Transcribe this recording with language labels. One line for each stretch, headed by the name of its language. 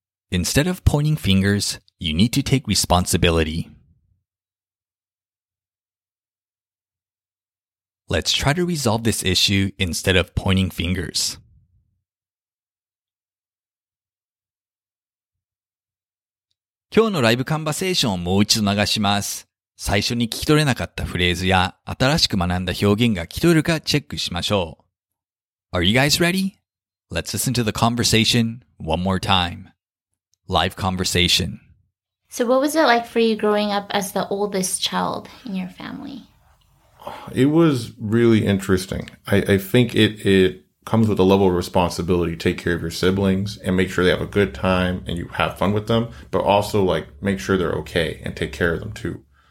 English: Instead of pointing fingers, you need to take responsibility. Let's try to resolve this issue instead of pointing fingers.
Japanese: 今日のライブカンバセーションをもう一度流します。最初に聞き取れなかったフレーズや新しく学んだ表現が聞き取れるかチェックしましょう。
English: Are you guys ready? Let's listen to the conversation one more time. Live conversation. So what was it like for you growing up as the oldest child in your family? It was really interesting. I think it comes with a level of responsibility to take care of your siblings and make sure they have a good time and you have fun with them, but also like make sure they're okay and take care of them too.